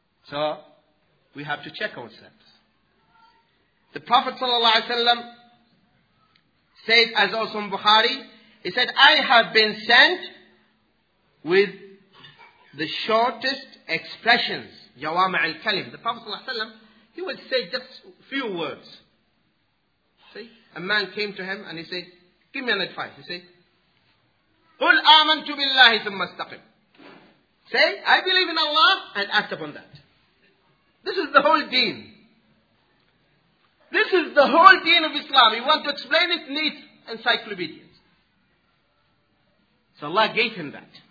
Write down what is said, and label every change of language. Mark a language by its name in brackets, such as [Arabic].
[English] So, we have to check ourselves. The Prophet ﷺ said, as also in Bukhari, he said, I have been sent with the shortest expressions. Jawami al-Kalim. The Prophet ﷺ, he would say just a few words. See? A man came to him and he said, give me an advice. [Arabic] He said, قُلْ آمَنْتُ بِاللَّهِ ثُمَّ اسْتَقِمْ. [English] Say, I believe in Allah and act upon that. This is the whole deen. This is the whole deen of Islam. You want to explain it, needs encyclopedias. So Allah gave him that.